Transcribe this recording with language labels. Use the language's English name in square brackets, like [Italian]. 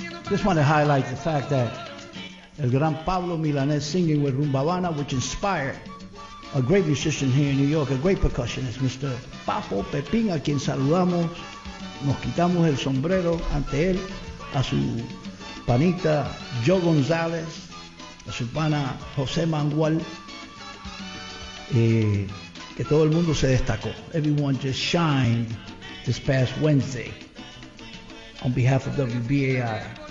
[English] Just want to highlight the fact that El Gran Pablo Milanés singing with Rumba Habana, which inspired a great musician here in New York, a great percussionist, Mr. [Spanish] Papo Pepín, a quien saludamos, nos quitamos el sombrero ante él, a su panita Joe González, a su pana José Mangual, que todo el mundo se destacó. [English] Everyone just shined this past Wednesday on behalf of WBAI.